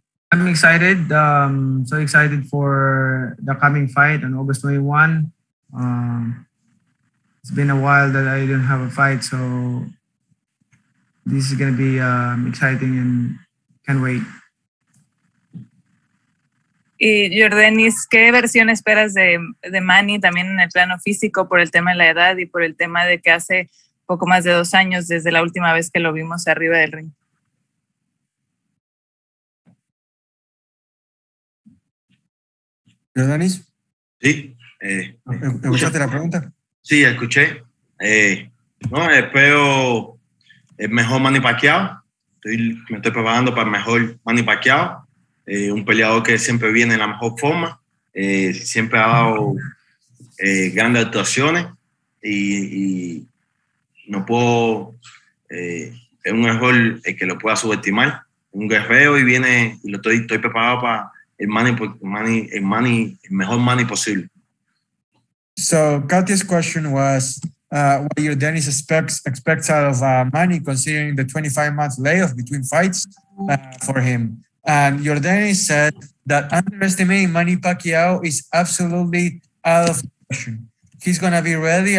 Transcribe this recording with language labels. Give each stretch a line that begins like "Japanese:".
English: I'm excited. So excited for the coming fight on August 21. It's been a while that I didn't have a fight. So this is going to be exciting and can't wait.
Spanish: Y Jordanis, ¿qué versión esperas de Manny también en el plano físico por el tema de la edad y por el tema de que hace poco más de dos años desde la última vez que lo vimos arriba del ring? Jordanis? Sí. ¿Escuchaste la pregunta? Sí, escuché. No, espero el mejor Manny Pacquiao. Me estoy preparando para el mejor Manny Pacquiao. Un peleador que siempre viene en la mejor forma, siempre ha dado grandes actuaciones y no puedo, es un error el que lo pueda subestimar. Un guerrero y viene, y lo estoy preparado para el mejor Manny posible.
English: So, Katia's question was, what your Dennis expects out of Manny considering the 25 month layoff between fights for him? And Jordani said that underestimating Manny Pacquiao is absolutely out of question. He's going to be ready.